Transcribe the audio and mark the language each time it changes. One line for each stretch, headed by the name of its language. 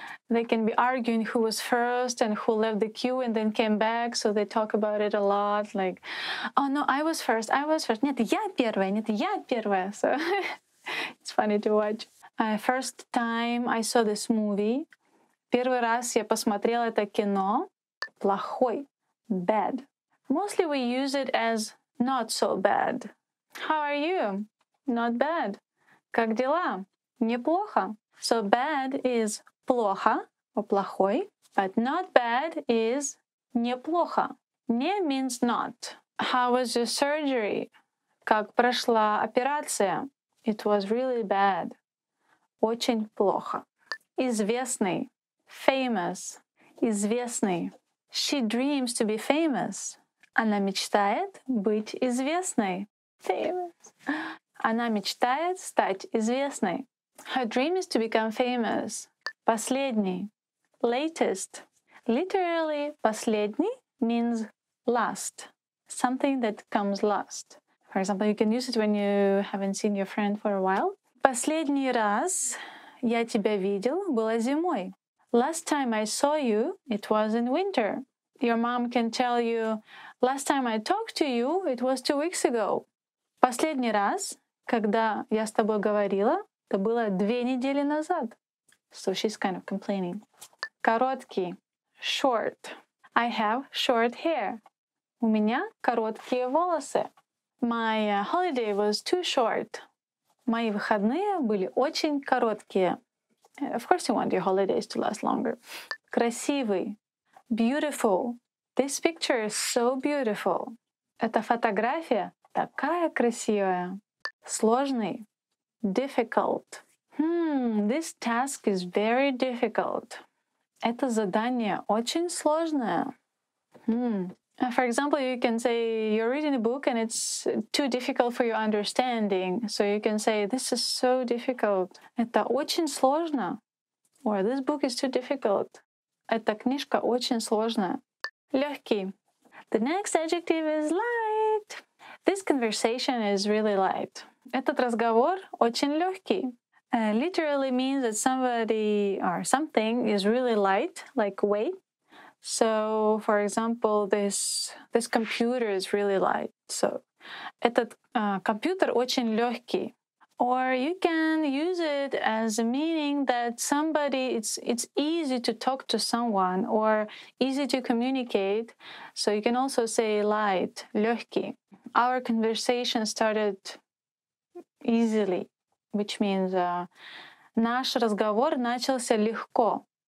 English: They can be arguing who was first and who left the queue and then came back. So they talk about it a lot, like, oh no, I was first, I was first.
Russian: Нет, я первая, нет, я первая.
English: So it's funny to watch. First time I saw this movie.
Russian: Первый раз я посмотрела это кино. Плохой.
English: Bad. Mostly we use it as not so bad. How are you? Not bad.
Russian: Как дела?
English: Неплохо. So bad is плохо or плохой, but not bad is неплохо. Не means not. How was your surgery?
Russian: Как прошла операция?
English: It was really bad.
Russian: Очень плохо. Известный. Famous. Известный.
English: She dreams to be famous.
Russian: Она мечтает быть известной.
English: Famous.
Russian: Она мечтает стать известной.
English: Her dream is to become famous. Последний. Latest. Literally, последний means last. Something that comes last. For example, you can use it when you haven't seen your friend for a while.
Russian: Последний раз я тебя видел было зимой.
English: Last time I saw you, it was in winter. Your mom can tell you, last time I talked to you, it was 2 weeks ago.
Russian: Последний раз, когда я с тобой говорила, это было 2 недели назад.
English: So she's kind of complaining. Короткий. Short. I have short hair.
Russian: У меня короткие волосы.
English: My holiday was too short.
Russian: Мои выходные были очень короткие.
English: Of course you want your holidays to last longer. Красивый. Beautiful. This picture is so beautiful.
Russian: Эта фотография такая красивая.
English: Сложный. Difficult. This task is very difficult.
Russian: Это задание очень сложное.
English: For example, you can say you're reading a book and it's too difficult for your understanding. So you can say, this is so difficult.
Russian: Это очень сложно.
English: Or this book is too difficult.
Russian: Эта книжка очень сложная.
English: Легкий. The next adjective is light. This conversation is really light.
Russian: Этот разговор очень легкий.
English: Literally means that somebody or something is really light, like weight. So, for example, this computer is really light.
Russian: So, этот компьютер очень легкий.
English: Or you can use it as a meaning that somebody, it's easy to talk to someone or easy to communicate. So you can also say light, легкий. Our conversation started easily, which means
Russian: наш разговор начался легко.